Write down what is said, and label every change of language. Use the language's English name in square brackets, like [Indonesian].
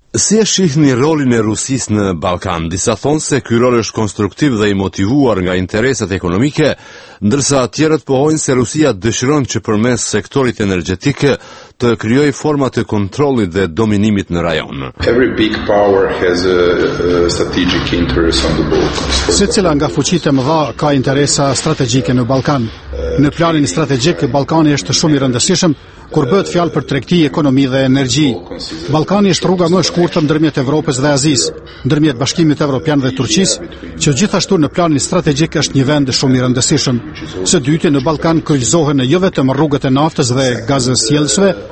[Albanian] Si e shihni rolin e Rusisë në Ballkan? Disa thonë se ky rol është konstruktiv dhe i motivuar nga interesat ekonomike, ndërsa tjerët pohojnë se Rusia dëshiron që përmes sektorit energjetik të krijojë forma të kontrollit dhe dominimit në rajon. [English] Every big power has a strategic interest on the Balkans. [Albanian] Secila nga fuqitë e mëdha ka interesa strategjike në Ballkan. Në planin strategjik, Ballkani është shumë i rëndësishëm kur bëhet fjalë për tregti, ekonomi dhe energji. Ballkani është rruga më e shkurtër ndërmjet Evropës dhe Azisë, ndërmjet Bashkimit Evropian dhe Turqisë, që gjithashtu në planin strategjik është një vend shumë i rëndësishëm. Së dyti, në Ballkan kryqëzohen jo vetëm rrugët e naftës dhe gazës sjellësve,